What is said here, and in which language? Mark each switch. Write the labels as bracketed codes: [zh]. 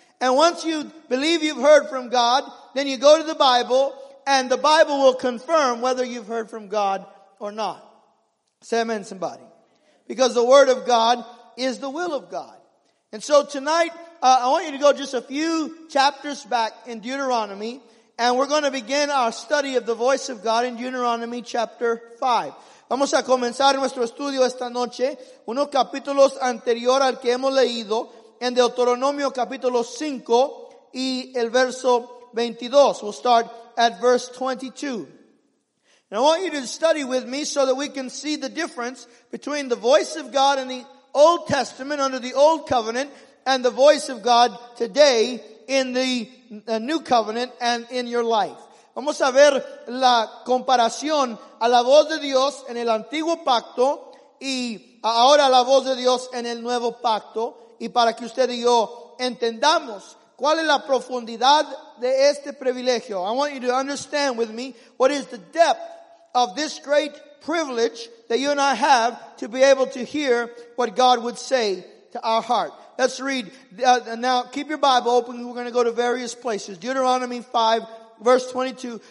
[en] And once you believe you've heard from God, then you go to the Bible and the Bible will confirm whether you've heard from God or not. Say amen, somebody. Because the word of God is the will of God. And so tonight, I want you to go just a few chapters back in Deuteronomy. And we're going to begin our study of the voice of God in Deuteronomy chapter 5. [es] Vamos a comenzar nuestro estudio esta noche, unos capítulos anterior al que hemos leído, en Deuteronomio capítulo 5 y el verso 22. [en] We'll start at verse 22. And I want you to study with me so that we can see the difference between the voice of God in the Old Testament under the Old Covenant and the voice of God today in the New Covenant and in your life. [es] Vamos a ver la comparación a la voz de Dios en el antiguo pacto y ahora la voz de Dios en el nuevo pacto, y para que usted y yo entendamos cuál es la profundidad de este privilegio. [en] I want you to understand with me what is the depth of this great privilege that you and I have to be able to hear what God would say to our heart. Let's read. Now keep your Bible open. We're going to go to various places. Deuteronomy 5, verse 22.